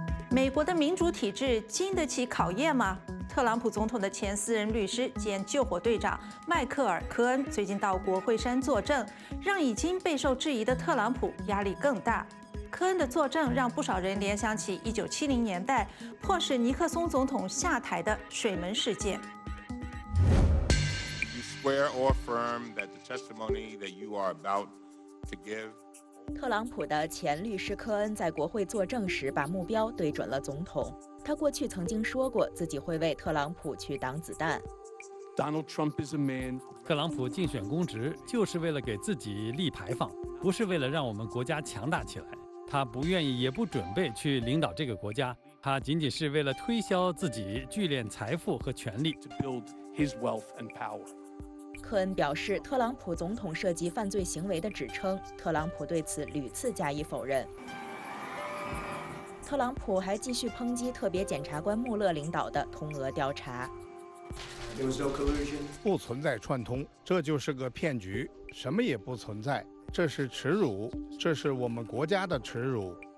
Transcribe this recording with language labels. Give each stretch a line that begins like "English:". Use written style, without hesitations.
Chinese: 美国的民主体制经得起考验吗？特朗普总统的前私人律师兼救火队长迈克尔·科恩最近到国会山作证，让已经备受质疑的特朗普压力更大。科恩的作证让不少人联想起1970年代迫使尼克松总统下台的水门事件。
English: You swear or affirm that the testimony that you are about to give...
Chinese: 特朗普的前律师科恩在国会作证时把目标对准了总统。他过去曾经说过自己会为特朗普去挡子弹。
English: Donald Trump is a man.
Chinese: 特朗普竞选公职就是为了给自己立牌坊，不是为了让我们国家强大起来。他不愿意也不准备去领导这个国家，他仅仅是为了推销自己，聚敛财富和权力。
English: To build his wealth and power.
Chinese: 科恩表示，特朗普总统涉及犯罪行为的指称，特朗普对此屡次加以否认。特朗普还继续抨击特别检察官穆勒领导的通俄调查。不存在串通，这就是个骗局，什么也不存在，这是耻辱，这是我们国家的耻辱。